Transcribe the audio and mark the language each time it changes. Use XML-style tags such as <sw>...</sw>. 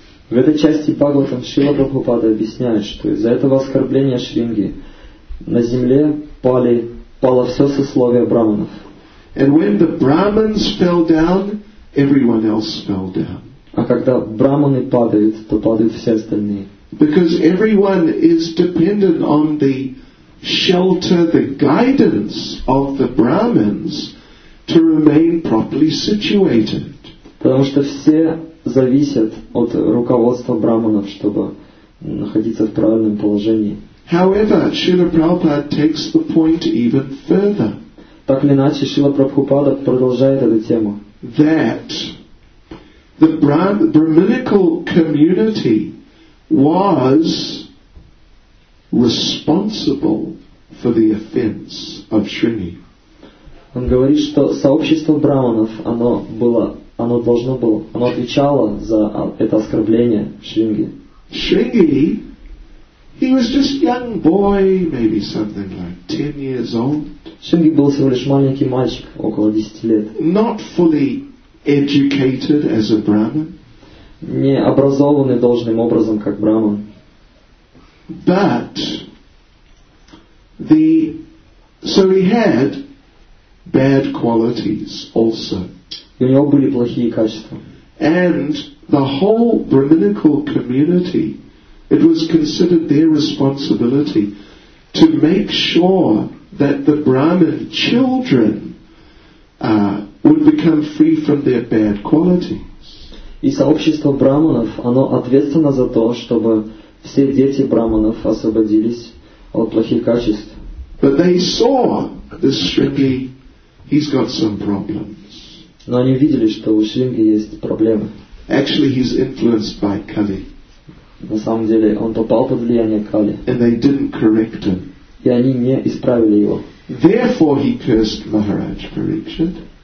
<ru>В этой части Бхагаватам Шрила Прабхупада объясняет, что из-за этого оскорбления Шринги на земле пало все сословие брахманов.</ru> <en>And when the Brahmins fell down, everyone else fell down.</en> <ru>А когда брахманы падают, то падают все остальные.</ru> <en>Because everyone is dependent on the shelter, the guidance of the Brahmins to remain properly situated.</en> <ru>Потому что все зависят от руководства брахманов, чтобы находиться в правильном положении.</ru> <en>However, Srila Prabhupada takes the point even further.</en> <ru>Так или иначе, Шрила Прабхупада продолжает эту тему.</ru> <en>that the Brahminical community was responsible for the offense of Shrini.</en> <ru>Он говорит, что сообщество браманов, оно было, оно должно было, оно отвечало за это оскорбление Шринги.</ru> <en>Шринги, he was just young boy, maybe something like 10 years old.</en> <ru>Шринги был всего лишь маленький мальчик, около 10 лет.</ru> <en>Not fully educated as a Brahman.</en> <ru>Не образованный должным образом как браман.</ru> <en>But the so he had bad qualities also.</en> <ru>У него были плохие качества.</ru> <en>And the whole Brahminical community, it was considered their responsibility to make sure that the Brahmin children would become free from their bad qualities.</en> <ru>И сообщество браманов, оно ответственно за то, чтобы все дети браманов освободились от плохих качеств.</ru> <en>But they saw this strictly. He's got some problems.</en> <ru>Но они видели, что у Шринги есть проблемы.</ru> <en>Actually, he's influenced by Kali.</en> <ru>На самом деле, он попал под влияние Кали.</ru> <en>And they didn't correct him.</en> <ru>И они не исправили его.</ru> <en>Therefore, he cursed Maharaj Parikshit.</en>